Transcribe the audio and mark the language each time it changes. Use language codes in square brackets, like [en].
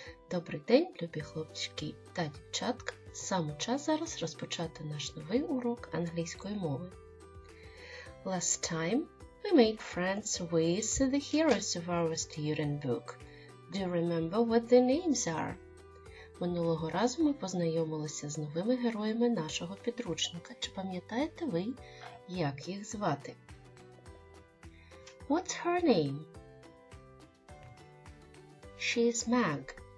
[uk] Добрий день, любі хлопчики та дівчатка. Саме час зараз розпочати наш новий урок англійської мови. [en] Last time, we made friends with the heroes of our student book. Do you remember what the names are? [uk] Минулого разу ми познайомилися з новими героями нашого підручника. Чи пам'ятаєте ви, як їх звати? [en] What's her name? She's Meg.